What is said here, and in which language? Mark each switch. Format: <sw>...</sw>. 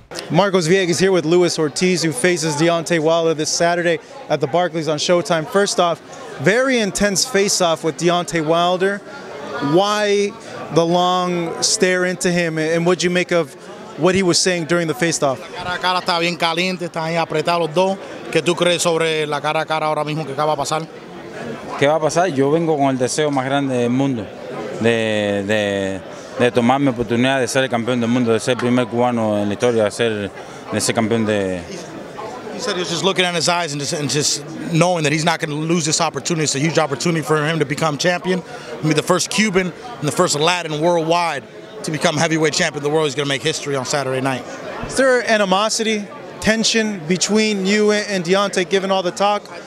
<en>Marcos Villegas is here with Luis Ortiz, who faces Deontay Wilder this Saturday at the Barclays on Showtime. First off, very intense face-off with Deontay Wilder. Why the long stare into him, and what did you make of what he was saying during the face-off?</en> <es>Cara a cara está bien caliente, están ahí apretados los dos. ¿Qué tú crees sobre la cara a cara ahora mismo? ¿Qué va a pasar? ¿Qué va a pasar? Yo vengo con el deseo más grande del mundo de tomar mi oportunidad de ser el campeón del mundo, de ser el primer cubano en la historia, de ser campeón de...</es> <en>He said he was just looking in his eyes and just knowing that he's not going to lose this opportunity. It's a huge opportunity for him to become champion. I mean, the first Cuban and the first Latin worldwide to become heavyweight champion of the world. He's going to make history on Saturday night. Is there animosity, tension between you and Deontay, given all the talk?</en>